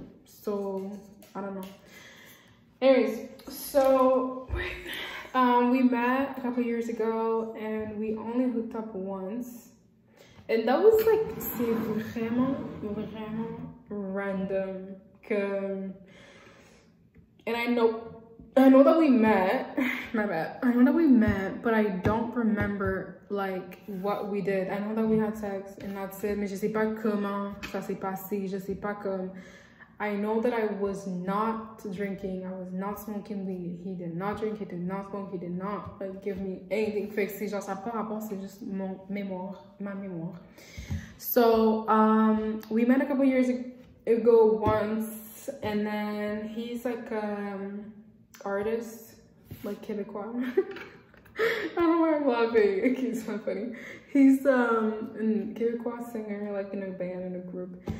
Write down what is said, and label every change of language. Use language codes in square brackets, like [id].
[en] So, I don't know. Anyways, so we met a couple years ago, and we only hooked up once, and that was like, [fr] c'est vraiment random. [en] And I know that we met, but I don't remember, like, what we did. I know that we had sex, and that's it. [fr] Mais je sais pas comment ça s'est passé. Je sais pas comme. [en] I know that I was not drinking, I was not smoking weed, he did not drink, he did not smoke, he did not, like, give me anything fixed. [fr] C'est genre, ça par rapport, c'est juste mon mémoire, ma mémoire. [en] So, we met a couple years ago once, and then he's like an artist, like, Quebecois. I don't know why I'm laughing, okay, it's not funny. He's a Quebecois singer, like, in a band, in a group.